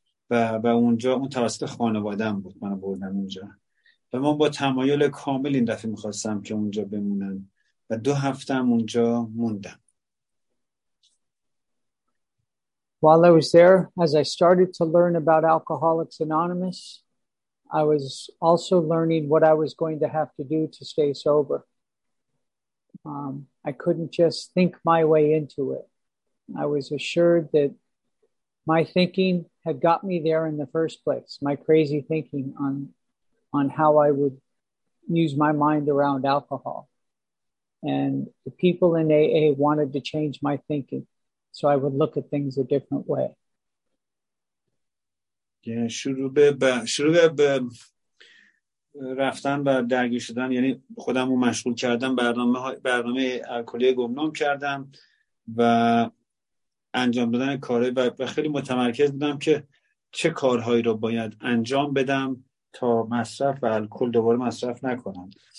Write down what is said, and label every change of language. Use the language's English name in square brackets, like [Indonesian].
[Persian] و اونجا اون توسط خانواده‌ام بود منو بردن اونجا و من با تمایل کامل این دفعه می‌خواستم که اونجا بمونم و دو هفته هم اونجا موندم. [English] While I was there, as I started to learn about Alcoholics Anonymous, I was also learning what I was going to have to do to stay sober. I couldn't just think my way into it. I was assured that my thinking had got me there in the first place, my crazy thinking on how I would use my mind around alcohol. And the people in AA wanted to change my thinking, so I would look at things a different way. [Persian] Yeah, شروع به رفتن و درگیر شدن، یعنی خودم رو مشغول کردم، برنامه الکلی گمنام کردم و انجام دادن کارهای و خیلی متمرکز بودم که چه کارهایی رو باید انجام بدم تا مصرف و الکل دوباره مصرف نکنم.